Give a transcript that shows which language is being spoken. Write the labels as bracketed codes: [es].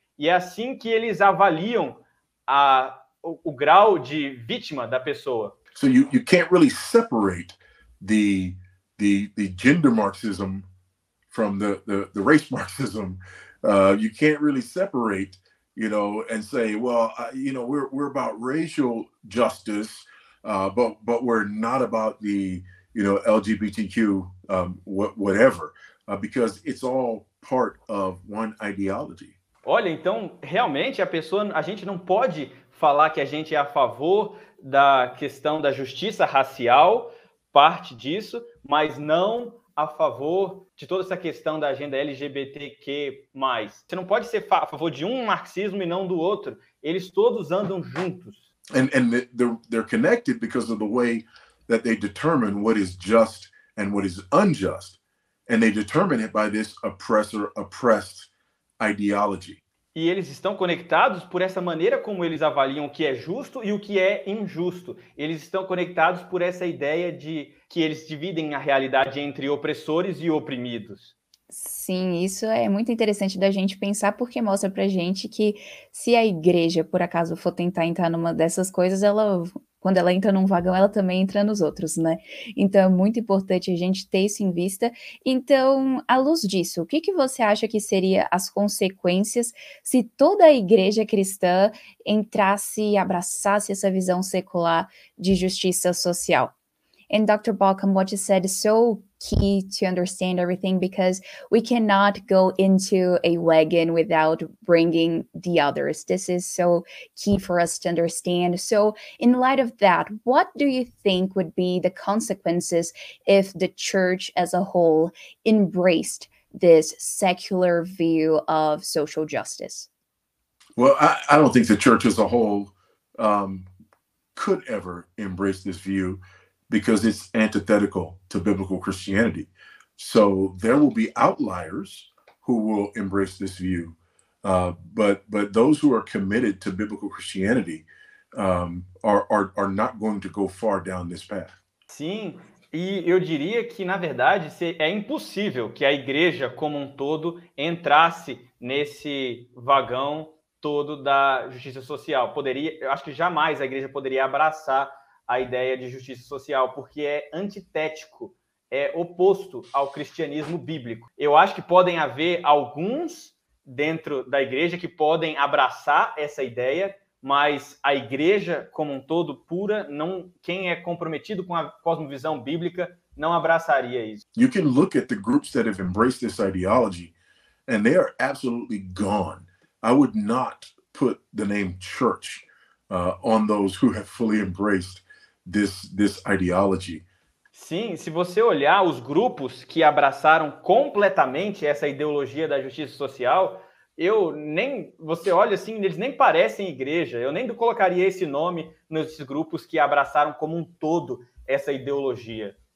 [pt] E é assim que eles avaliam o grau de vítima da pessoa. [en] So you can't really separate the gender Marxism from the race Marxism. You can't really separate, and say, well, we're about racial justice, but we're not about the, LGBTQ, whatever, because it's all part of one ideology. [pt] Olha, então realmente a gente não pode falar que a gente é a favor da questão da justiça racial, parte disso, mas não a favor de toda essa questão da agenda LGBTQ+. Você não pode ser a favor de um marxismo e não do outro. Eles todos andam juntos. [en] And they're connected because of the way that they determine what is just and what is unjust. And they determine it by this oppressor-oppressed ideology. [pt] E eles estão conectados por essa maneira como eles avaliam o que é justo e o que é injusto. Eles estão conectados por essa ideia de que eles dividem a realidade entre opressores e oprimidos. Sim, isso é muito interessante da gente pensar, porque mostra pra gente que se a igreja, por acaso, for tentar entrar numa dessas coisas, quando ela entra num vagão, ela também entra nos outros, né? Então é muito importante a gente ter isso em vista. Então, à luz disso, o que que você acha que seria as consequências se toda a igreja cristã entrasse e abraçasse essa visão secular de justiça social? [en] And Dr. Baucom, what you said is so key to understand everything because we cannot go into a wagon without bringing the others. This is so key for us to understand. So, in light of that, what do you think would be the consequences if the church as a whole embraced this secular view of social justice? Well, I don't think the church as a whole could ever embrace this view because it's antithetical to biblical Christianity. So there will be outliers who will embrace this view, but those who are committed to biblical Christianity are not going to go far down this path. [pt] Sim, e eu diria que, na verdade, é impossível que a igreja como um todo entrasse nesse vagão todo da justiça social. Eu acho que jamais a igreja poderia abraçar a ideia de justiça social, porque é antitético, é oposto ao cristianismo bíblico. Eu acho que podem haver alguns dentro da igreja que podem abraçar essa ideia. Mas a igreja como um todo pura, não, quem é comprometido com a cosmovisão bíblica não abraçaria isso. [en] You can look at the groups that have embraced this ideology, and they are absolutely gone. I would not put the name church on those who have fully embraced this ideology. [pt] Sim, se você olhar os grupos que abraçaram completamente essa ideologia da justiça social, eu nem, você olha assim, eles nem parecem igreja. Eu nem colocaria esse nome nesses grupos que abraçaram como um todo essa ideologia.